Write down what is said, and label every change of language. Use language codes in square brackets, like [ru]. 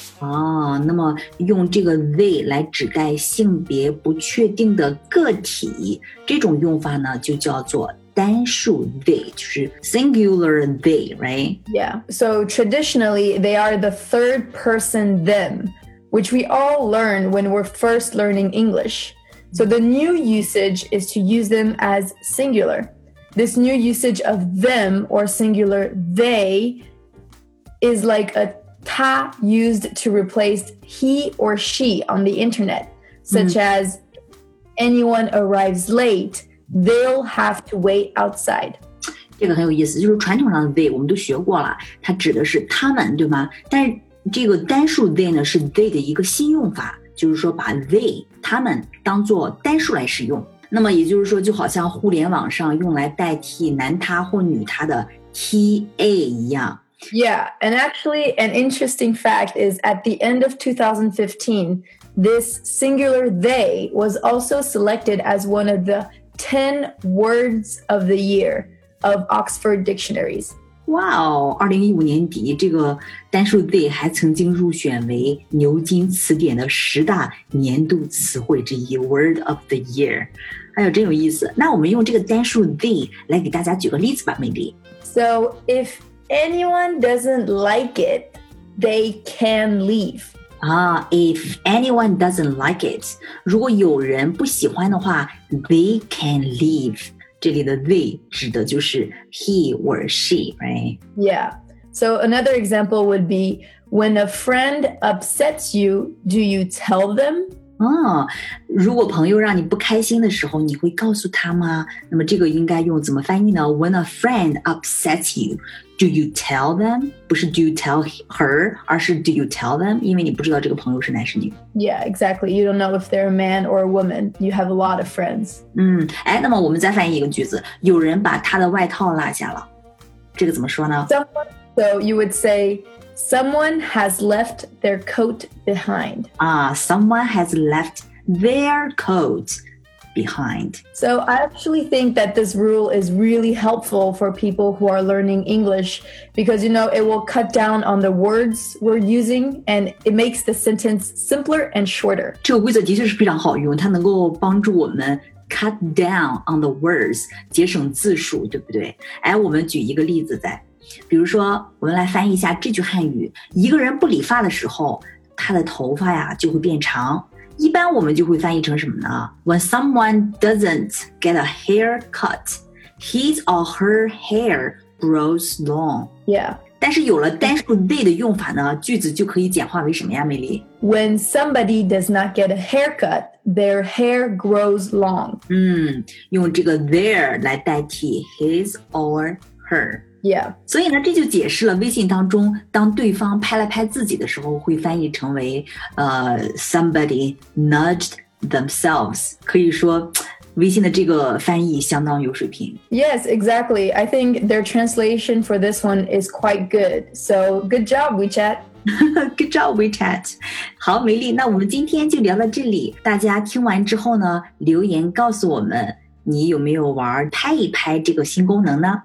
[zh] 哦，那么用这个 they 来指代性别不确定的个体，这种用法呢就叫做单数 they, 就是 [en] singular they, right? Yeah, so traditionally they are the third person them, which we all learn when we're first learning English. So the new usage is to use them as singular. This new usage of them or singular they is like a 他 used to replace he or she on the internet, such、mm. as anyone arrives late, they'll have to wait outside. [zh] 这个很有意思，就是传统上的 they 我们都学过了，它指的是他们，对吗？但这个单数 they 呢，是 they 的一个新用法，就是说把 they 他们当做单数来使用。那么也就是说就好像互联网上用来代替男他或女他的 TA 一样。 [en] Yeah, and actually an interesting fact is at the end of 2015, this singular they was also selected as one of the 10 words of the year of Oxford Dictionaries. [zh] Wow, 2015年底这个单数 they 还曾经入选为牛津词典的十大年度词汇之一 [en] word of the year. [zh] 哎呦，真有意思。那我们用这个单数 they 来给大家举个例子吧，美丽。 [en] So if anyone doesn't like it, they can leave. If anyone doesn't like it, [zh] 如果有人不喜欢的话 [en] they can leave. [zh] 这里的 they 指的就是 [en] he or she, right? Yeah. So another example would be, when a friend upsets you, do you tell them? [zh] 如果朋友让你不开心的时候，你会告诉他吗？那么这个应该用怎么翻译呢？ [en] When a friend upsets you, do you tell them? 不是 do you tell her, 而是 do you tell them? [zh] 因为你不知道这个朋友是男是女。 [en] Yeah, exactly. You don't know if they're a man or a woman. You have a lot of friends. [zh] 那么我们再翻译一个句子。有人把他的外套落下了。这个怎么说呢？ [en] So you would say... Someone has left their coat behind. Someone has left their coat behind. So I actually think that this rule is really helpful for people who are learning English because, you know, it will cut down on the words we're using and it makes the sentence simpler and shorter. [zh] 这个规则的确是非常好用，它能够帮助我们 [en] cut down on the words, [zh] 节省字数，对不对？哎，我们举一个例子再。比如说我们来翻译一下这句汉语，一个人不理发的时候他的头发呀就会变长，一般我们就会翻译成什么呢？ [en] When someone doesn't get a haircut, his or her hair grows long. Yeah. [zh] 但是有了单数 they 的用法呢，句子就可以简化为什么呀，美丽？ [en] When somebody does not get a haircut, their hair grows long. [zh] 用这个 their 来代替 [en] his or her. Yeah. [zh] 所以呢，这就解释了微信当中，当对方拍了拍自己的时候，会翻译成为 [en] somebody nudged themselves. [zh] 可以说，微信的这个翻译相当有水平。 [en] Yes, exactly. I think their translation for this one is quite good. So, good job, WeChat. Good job, WeChat. [zh] 好，美丽，那我们今天就聊到这里。大家听完之后呢，留言告诉我们。你有没有玩拍一拍这个新功能呢？